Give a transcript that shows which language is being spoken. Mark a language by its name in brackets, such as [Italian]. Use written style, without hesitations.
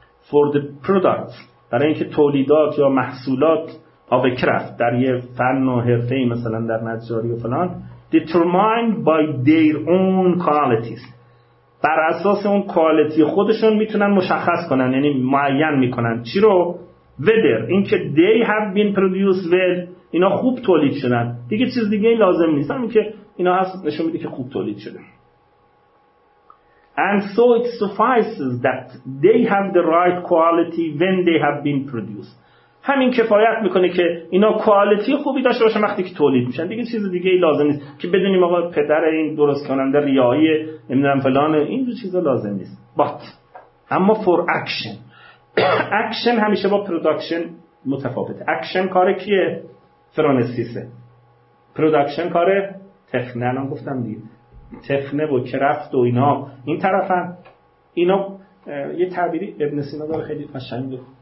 [Persian] for the product، برای اینکه تولیدات یا محصولات آب کرافت در یه فن و حرفه مثلا در نجاری و فلان [English] determined by their own qualities، [Persian] بر اساس اون کوالیتی خودشون میتونن مشخص کنن، یعنی معین میکنن چی رو، whether اینکه [English] they have been produced well، [Persian] اینا خوب تولید شدن دیگه، چیز دیگه لازم نیست، همین که اینا هست نشون میده که خوب تولید شده. [English] And so it suffices that they have the right quality when they have been produced. [Persian] همین کفایت میکنه که اینا کوالیتی خوبی داشته باشه وقتی که تولید میشن. دیگه چیز دیگه ای لازم نیست که بدونیم آقا پدر این درست کننده ریایی نمیدونم فلان، این چیزا لازم نیست. [English] But اما for action. [Persian] Action همیشه با production متفاوته. Action کار کیه؟ فرانسیسه. Production کار تخنه، الان گفتم دیگه. تفنه و کرافت و اینا این طرف هم اینا یه تعبیری ابن سینا داره خیلی قشنگه.